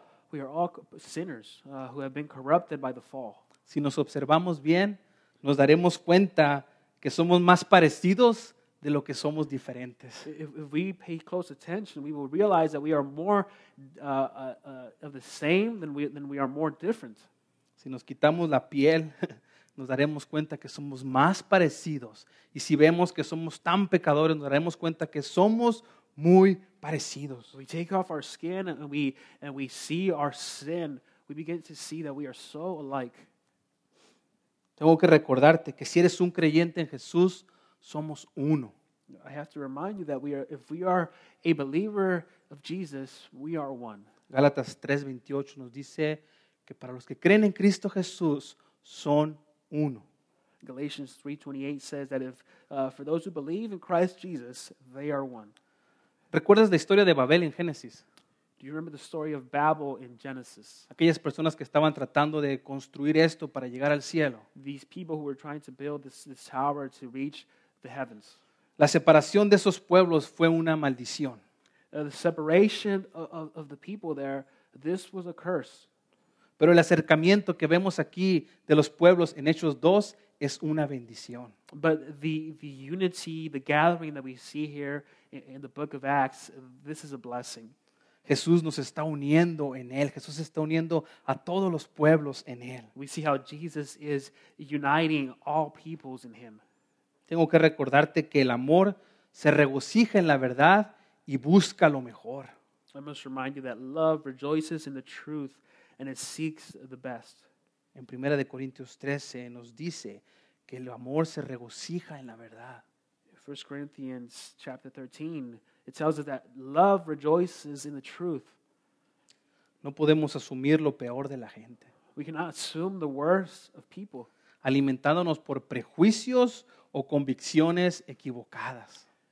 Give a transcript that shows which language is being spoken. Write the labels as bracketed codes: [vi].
[en] We are all sinners who have been corrupted by the fall. [es] Si nos observamos bien, nos daremos cuenta que somos más parecidos de lo que somos diferentes. [en] If we pay close attention, we will realize that we are more of the same than we are more different. [es] Si nos quitamos la piel, nos daremos cuenta que somos más parecidos. Y si vemos que somos tan pecadores, nos daremos cuenta que somos muy parecidos. [en] We take off our skin and we see our sin. We begin to see that we are so alike. [es] Tengo que recordarte que si eres un creyente en Jesús, somos uno. [en] I have to remind you that if we are a believer of Jesus, we are one. [es] Gálatas 3:28 nos dice que para los que creen en Cristo Jesús, son uno. [en] Galatians 3:28 says that for those who believe in Christ Jesus, they are one. [es] ¿Recuerdas la historia de Babel en Génesis? [en] Do you remember the story of Babel in Genesis? [es] Aquellas personas que estaban tratando de construir esto para llegar al cielo. [en] These people who were trying to build this tower to reach the heavens. [es] La separación de esos pueblos fue una maldición. [en] The separation of the people there, this was a curse. [es] Pero el acercamiento que vemos aquí de los pueblos en Hechos 2 es una bendición. [en] But the unity, the gathering that we see here in the book of Acts, this is a blessing. [es] Jesús nos está uniendo en Él. Jesús está uniendo a todos los pueblos en Él. [en] We see how Jesus is uniting all peoples in Him. [es] Tengo que recordarte que el amor se regocija en la verdad y busca lo mejor. [en] I must remind you that love rejoices in the truth and it seeks the best. [es] En 1 Corintios 13 nos dice que el amor se regocija en la verdad. [en] 1 Corinthians chapter 13, it tells us that love rejoices in the truth. [es] No podemos asumir lo peor de la gente. [en] We cannot assume the worst of people. [es] Alimentándonos por prejuicios o convicciones equivocadas.